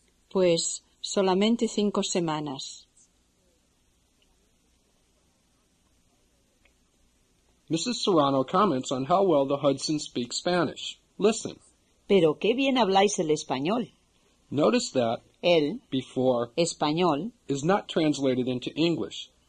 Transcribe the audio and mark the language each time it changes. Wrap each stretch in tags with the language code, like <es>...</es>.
<es>Pues, solamente 5 semanas.</es> <en>Mrs. Serrano comments on how well the Hudson speaks Spanish. Listen.</en> <es>Pero qué bien habláis el español.</es> <en>Notice that</en> <es>el</es> <en>before</en> <es>español</es> <en>is not translated into English.</en>